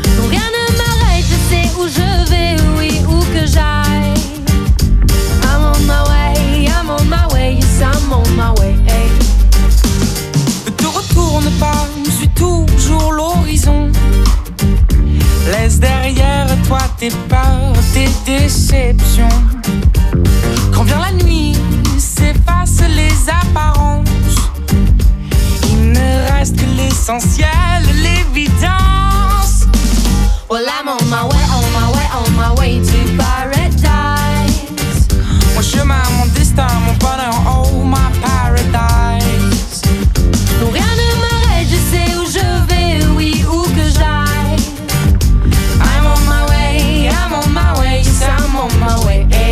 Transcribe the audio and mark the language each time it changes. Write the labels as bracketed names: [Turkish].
[French] Rien ne m'arrête, je sais où je vais, oui, où que j'aille. [English] I'm on my way, I'm on my way, yes, I'm on my way, hey. [French] Ne te retourne pas, je suis toujours l'horizon. Laisse derrière toi tes peurs, tes déceptions. Quand vient la nuit, s'effacent les apparences. Il ne reste que l'essentiel, l'évidence. [English] Well, I'm on my way, on my way, on my way to paradise. [French] Mon chemin, mon destin, mon bonheur, [English] oh my paradise. [French] Rien ne m'arrête, je sais où je vais, oui, où que j'aille. [English] I'm on my way, I'm on my way, yes, I'm on my way.